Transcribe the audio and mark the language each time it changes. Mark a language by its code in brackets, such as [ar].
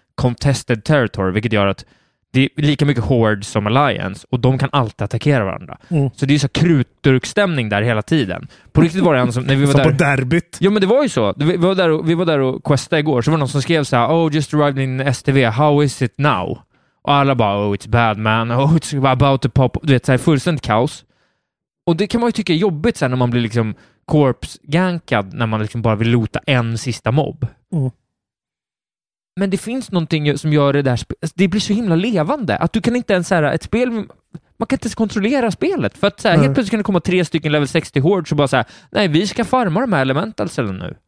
[en] contested territory, [sv] vilket gör att det är lika mycket horde som Alliance och de kan alltid attackera varandra. Mm. Så det är så krutdurkstämning där hela tiden. På riktigt var det en som... När vi var som där, på derbyt. Ja, men det var ju så. Vi var där och questade igår, så var någon som skrev så här: [en] oh, just arrived in STV, how is it now? [sv] Och alla bara, [en] oh, it's bad man, oh, it's about to pop. [sv] Du vet, så här, fullständigt kaos. Och det kan man ju tycka är jobbigt så här, när man blir liksom corpse-gankad, när man liksom bara vill loota en sista mobb. Mm. Men det finns någonting som gör det där, det blir så himla levande att du kan inte ens säga ett spel, man kan inte ens kontrollera spelet, för att så här, helt plötsligt kan det komma 3 stycken level 60 hordes och bara säga, nej, vi ska farma de här elementals eller nu.